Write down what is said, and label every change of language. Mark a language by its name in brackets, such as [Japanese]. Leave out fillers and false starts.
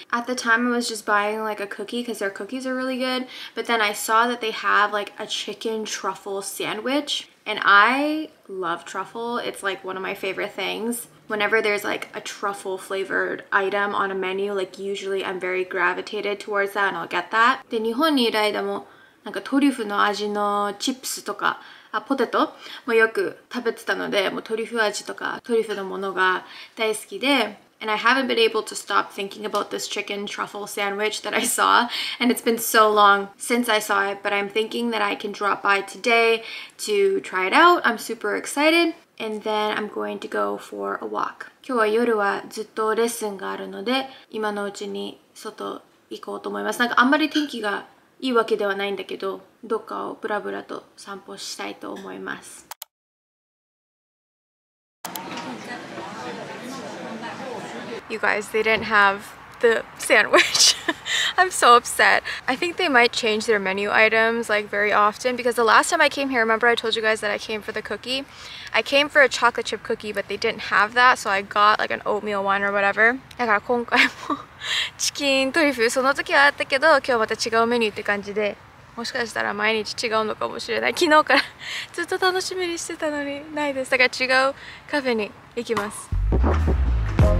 [English] At the time, I was just buying like a cookie because their cookies are really good. But then I saw that they have like a chicken truffle sandwich. And I love truffle. It's like one of my favorite things. Whenever there's like a truffle flavored item on a menu, like usually I'm very gravitated towards that and I'll get that. [Japanese] で、日本にいる間もなんかトリュフの味のチップスとか、あ、ポテトもよく食べてたので、もうトリュフ味とかトリュフのものが大好きで。 [English] And I haven't been able to stop thinking about this chicken truffle sandwich that I saw. And it's been so long since I saw it, but I'm thinking that I can drop by today to try it out. I'm super excited. And then I'm going to go for a walk. [Japanese] 今日は夜はずっとレッスンがあるので、今のうちに外行こうと思います。なんかあんまり天気がいいわけではないんだけど、どっかをブラブラと散歩したいと思います。 [English] You guys, they didn't have the sandwich. I'm so upset. I think they might change their menu items like very often because the last time I came here, remember I told you guys that I came for the cookie? I came for a chocolate chip cookie, but they didn't have that, so I got like an oatmeal one or whatever. [Japanese] だから今回もチキントリュフその時はあったけど、今日また違うメニューって感じで、もしかしたら毎日違うのかもしれない。昨日からずっと楽しみにしてたのにないです。だから違うカフェに行きます。